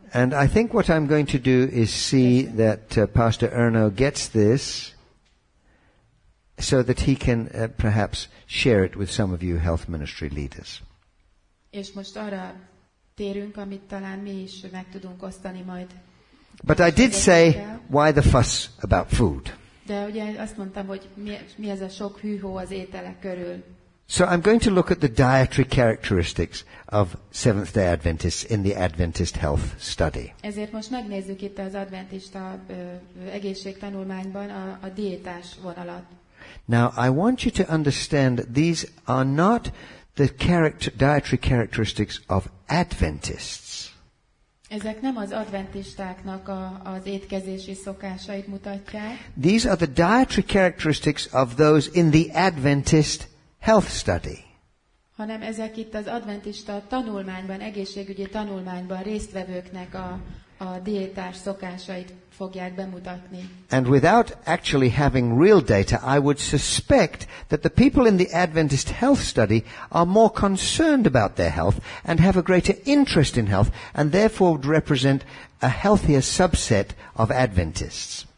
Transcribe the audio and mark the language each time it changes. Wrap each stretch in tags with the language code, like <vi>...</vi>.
<en>And I think what I'm going to do is see that Pastor Erno gets this so that he can perhaps share it with some of you health ministry leaders.</en> <hu>És most arra térünk, amit talán mi is meg tudunk osztani majd.</hu> <en>But I did say why the fuss about food.</en> <hu>De ugye azt mondtam, hogy mi ez a sok hűhó az ételek körül.</hu> <en>So I'm going to look at the dietary characteristics of Seventh-day Adventists in the Adventist health study.</en> <hu>Ezért most megnézzük itt az adventista egészségtanulmányban a diétás vonalat.</hu> <en>Now I want you to understand that these are not the dietary characteristics of Adventists.</en> <hu>Ezek nem az adventistáknak az étkezési szokásait mutatják.</hu> <en>These are the dietary characteristics of those in the Adventist health study.</en> <hu>Hanem ezek itt az adventista tanulmányban, egészségügyi tanulmányban résztvevőknek a diétás szokásait fogják bemutatni.</hu> <en>And without actually having real data, I would suspect that the people in the Adventist health study are more concerned about their health and have a greater interest in health and therefore would represent a healthier subset of Adventists.</en>